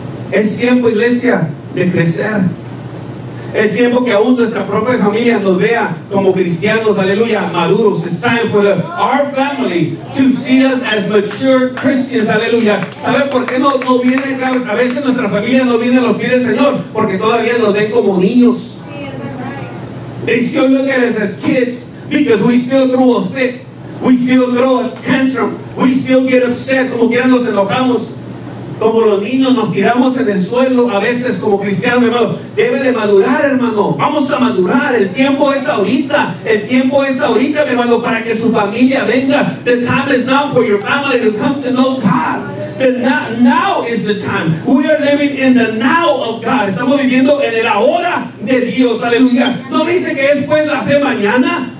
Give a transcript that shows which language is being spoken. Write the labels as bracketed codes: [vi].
[es] Es tiempo, iglesia, de crecer. Es tiempo que aún nuestra propia familia nos vea como cristianos, aleluya, maduros. [en] It's time for our family to see us as mature Christians, aleluya. [es] ¿Sabe por qué no vienen? A veces nuestra familia no viene a los pies del Señor porque todavía nos ven como niños. [en] They still look at us as kids because we still throw a fit. We still throw a tantrum. We still get upset. [es] Como quieran nos enojamos. Como los niños nos tiramos en el suelo a veces como cristianos, hermano. Debe de madurar, hermano. Vamos a madurar. El tiempo es ahorita. El tiempo es ahorita, mi hermano, para que su familia venga. [en] The time is now for your family to come to know God. Now is the time. We are living in the now of God. [es] Estamos viviendo en el ahora de Dios. Aleluya. No dice que es pues la fe mañana.